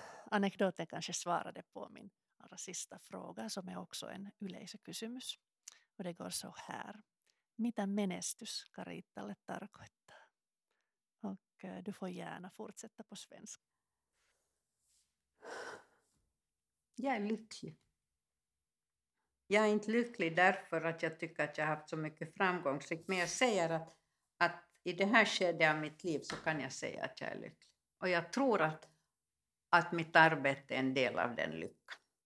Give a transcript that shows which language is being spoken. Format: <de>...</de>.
<sv>Anekdoten kanske svarade på min allra sista fråga som är också en yleisökysymys. Och det går så här.</sv> <fi>Mitä menestys Karitalle tarkoittaa?</fi> <sv>Och du får gärna fortsätta på svenska. Jag är lycklig. Jag är inte lycklig därför att jag tycker att jag har haft så mycket framgång. Men jag säger att i det här skedet av mitt liv så kan jag säga att jag är lycklig. Och jag tror att mitt arbete är en del av den lyckan.</sv>